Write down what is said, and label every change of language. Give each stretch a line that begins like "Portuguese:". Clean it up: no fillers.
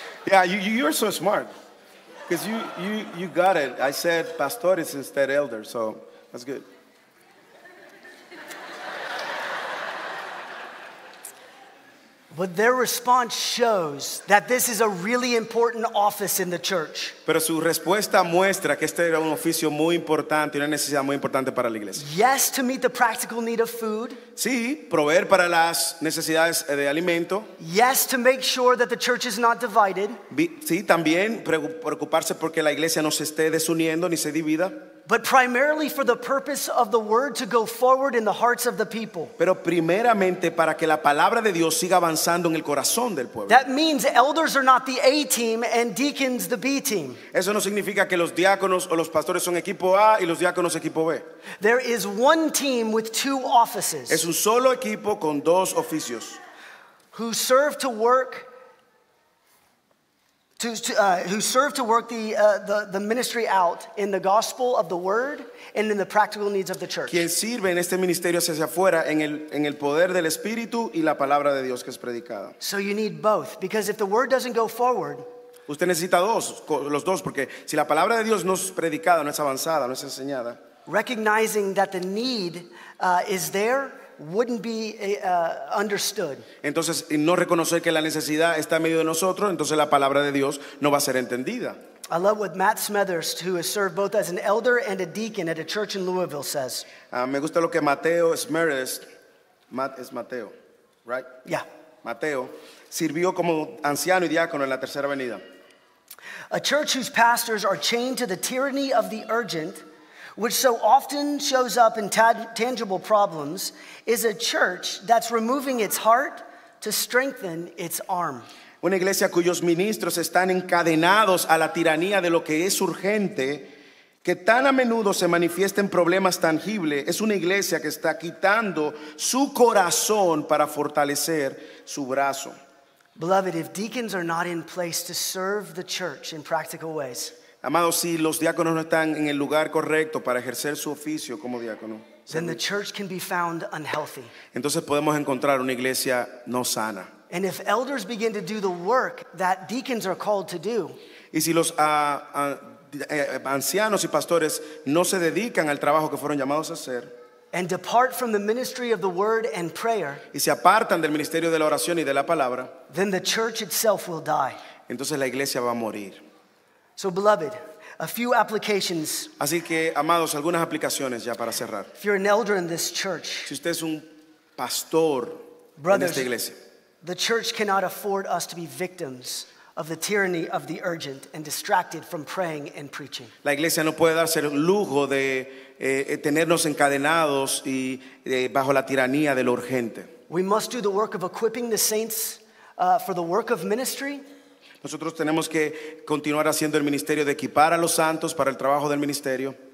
English: Yeah, you're so smart, because you got it. I said pastores instead elder, so that's good. But their response shows that this is a really important office in the church.
Spanish: Pero su respuesta muestra que este era un oficio muy importante, una necesidad muy importante para la iglesia.
English: Yes, to meet the practical need of food.
Spanish: Sí, proveer para las necesidades de alimento.
English: Yes, to make sure that the church is not divided.
Spanish: Sí, también preocuparse porque la iglesia no se esté desuniendo ni se divida.
English: But primarily for the purpose of the word to go forward in the hearts of the people.
Spanish: Pero primeramente para que la palabra de Dios siga avanzando en el corazón del pueblo.
English: That means elders are not the A team and deacons the B team.
Spanish: Eso no significa que los diáconos o los pastores son equipo A y los diáconos equipo B.
English: There is one team with two offices.
Spanish: Es un solo equipo con dos oficios.
English: Who serve to work who serve to work the ministry out in the gospel of the word and in the practical needs of the church.
Spanish: Quien sirve en este ministerio hacia afuera en el poder del espíritu y la palabra de Dios que es predicada.
English: So you need both, because if the word doesn't go forward,
Spanish: usted necesita dos, los dos, porque si la palabra de Dios no es predicada, no es avanzada, no es enseñada.
English: Recognizing that the need is there wouldn't be understood.
Spanish: Entonces, no reconocer que la necesidad está en medio de nosotros, entonces la palabra de Dios no va a ser entendida.
English: I love what Matt Smethurst, who has served both as an elder and a deacon at a church in Louisville, says.
Spanish: Me gusta lo que Mateo Smethurst, Matt es Mateo,
English: right? Yeah.
Spanish: Mateo sirvió como anciano y diácono en la tercera venida.
English: A church whose pastors are chained to the tyranny of the urgent, which so often shows up in tangible problems, is a church that's removing its heart to strengthen its arm.
Spanish: Una iglesia cuyos ministros están encadenados a la tiranía de lo que es urgente Que tan a menudo se manifiesten problemas tangibles es una iglesia que está quitando su corazón para fortalecer su brazo.
English: Beloved, if deacons are not in place to serve the church in practical ways,
Spanish: amados, si los diáconos no están en el lugar correcto para ejercer su oficio como diácono,
English: then the church can be found unhealthy.
Spanish: Entonces podemos encontrar una iglesia no sana.
English: And if elders begin to do the work that deacons are called to do,
Spanish: y si los ancianos y pastores no se dedican al trabajo que fueron llamados a hacer,
English: and depart from the ministry of the word and prayer,
Spanish: y se apartan del ministerio de la oración y de la palabra,
English: then the church itself will die.
Spanish: Entonces la iglesia va a morir.
English: So beloved, a few applications.
Spanish: Así que, amados, algunas aplicaciones ya para cerrar.
English: If you're an elder in this church,
Spanish: si usted es un pastor,
English: brothers,
Spanish: en esta iglesia,
English: the church cannot afford us to be victims of the tyranny of the urgent and distracted from praying and preaching.
Spanish: La iglesia no puede darse el lujo de tenernos encadenados y bajo la tiranía de lo urgente.
English: We must do the work of equipping the saints for the work of ministry.
Spanish: Nosotros tenemos que continuar haciendo el ministerio de equipar a los santos para el trabajo del ministerio.